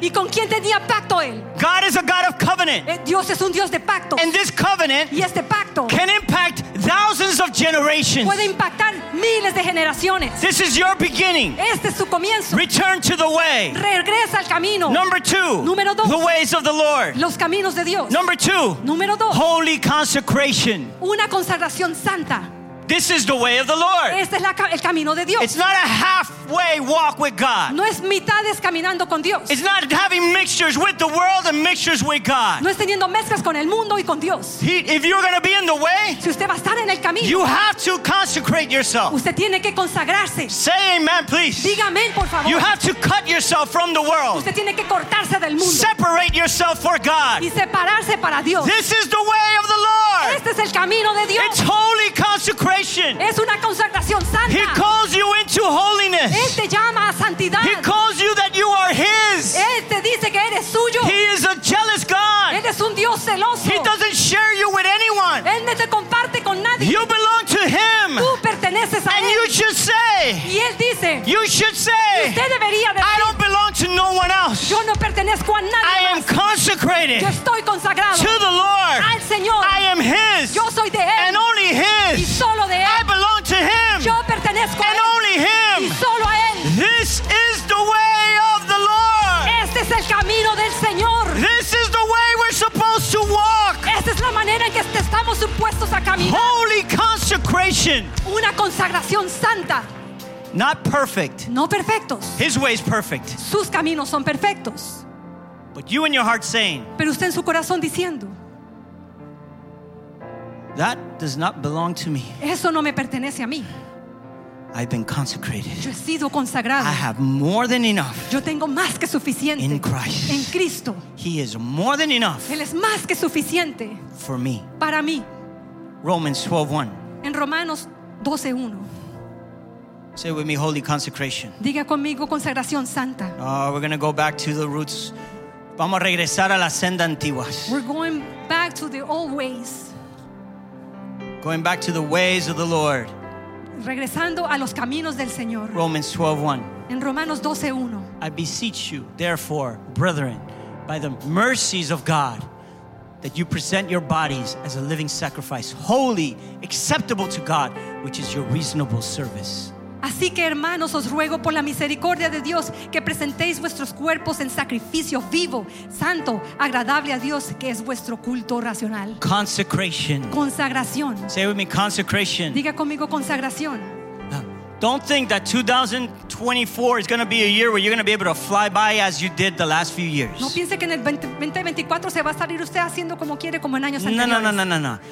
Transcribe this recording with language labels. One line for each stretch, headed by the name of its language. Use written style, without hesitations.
Spanish: Y con quién tenía pacto él.
English: God is a God of covenant.
Spanish: Dios es un Dios de pactos.
English: And this covenant,
Spanish: y este pacto,
English: can impact thousands of generations.
Spanish: Puede impactar miles de generaciones.
English: This is your beginning.
Spanish: Este es su comienzo.
English: Return to the way.
Spanish: Regresa al camino.
English: Number two.
Spanish: Número dos.
English: The ways of the Lord.
Spanish: Los caminos de Dios.
English: Number two.
Spanish: Número dos.
English: Holy consecration.
Spanish: Una consagración santa.
English: This is the way of the Lord.
Spanish: Este es el camino de Dios.
English: It's not a halfway walk with God.
Spanish: No es mitades caminando con Dios.
English: It's not having mixtures with the world and mixtures with God.
Spanish: No es teniendo mezclas con el mundo y con Dios.
English: If you're going to be in the way,
Spanish: si usted va a estar en el camino,
English: you have to consecrate yourself.
Spanish: Usted tiene que consagrarse.
English: Say amen, please.
Spanish: Diga amén, por favor.
English: You have to cut yourself from the world.
Spanish: Usted tiene que cortarse del mundo.
English: Separate yourself for God.
Spanish: Y separarse para Dios.
English: This is the way of the Lord.
Spanish: Este es el camino de Dios.
English: It's holy consecration.
Spanish: Es una consagración santa.
English: He calls you into holiness.
Spanish: Él te llama a santidad.
English: He calls you that you are his.
Spanish: Él te dice que eres suyo.
English: He is a jealous God.
Spanish: Él es un Dios celoso.
English: He doesn't share you with anyone.
Spanish: Él no te comparte con nadie.
English: You belong to him.
Spanish: Tú perteneces a
English: and
Spanish: él.
English: You should say,
Spanish: y él dice,
English: you should say,
Spanish: usted debería decir,
English: I don't belong to no one else.
Spanish: Yo no pertenezco a nadie
English: I
Spanish: más.
English: Am consecrated.
Spanish: Yo estoy consagrado
English: to the Lord.
Spanish: Al Señor.
English: I am his.
Spanish: Yo soy de él.
English: And only his.
Spanish: Y solo
English: I belong to him.
Spanish: Yo pertenezco
English: and
Spanish: a él.
English: Only him.
Spanish: Y solo a él.
English: This is the way of the Lord.
Spanish: Este es el camino del Señor.
English: This is the way we're supposed to walk.
Spanish: Esta es la manera en que estamos supuestos a caminar.
English: Holy consecration.
Spanish: Una consagración santa.
English: Not perfect.
Spanish: No perfectos.
English: His way is perfect.
Spanish: Sus caminos son perfectos.
English: But you in your heart saying.
Spanish: Pero usted en su corazón diciendo.
English: That does not belong to me.
Spanish: Eso no me pertenece a mí.
English: I've been consecrated.
Spanish: Yo he sido consagrado.
English: I have more than enough.
Spanish: Yo tengo más que suficiente.
English: In Christ.
Spanish: En Cristo.
English: He is more than enough.
Spanish: Él es más que suficiente.
English: For me.
Spanish: Para mí.
English: Romans 12:1.
Spanish: En Romanos 12:1.
English: Say with me, holy consecration.
Spanish: Diga conmigo, consagración santa.
English: Oh, we're going to go back to the roots.
Spanish: Vamos a regresar a la senda antigua.
English: We're going back to the old ways. Going back to the ways of the Lord.
Spanish: Regresando a los caminos del Señor.
English: Romans 12:1.
Spanish: En Romanos 12:1.
English: I beseech you, therefore, brethren, by the mercies of God, that you present your bodies as a living sacrifice, holy, acceptable to God, which is your reasonable service.
Spanish: Así que, hermanos, os ruego por la misericordia de Dios que presentéis vuestros cuerpos en sacrificio vivo, santo, agradable a Dios, que es vuestro culto racional.
English: Consecration.
Spanish: Consagración.
English: Say with me, consecration.
Spanish: Diga conmigo, consagración.
English: Don't think that 2024 is going to be a year where you're going to be able to fly by as you did the last few years.
Spanish: No piense que en el 2024 se va a salir usted haciendo como quiere como en años anteriores.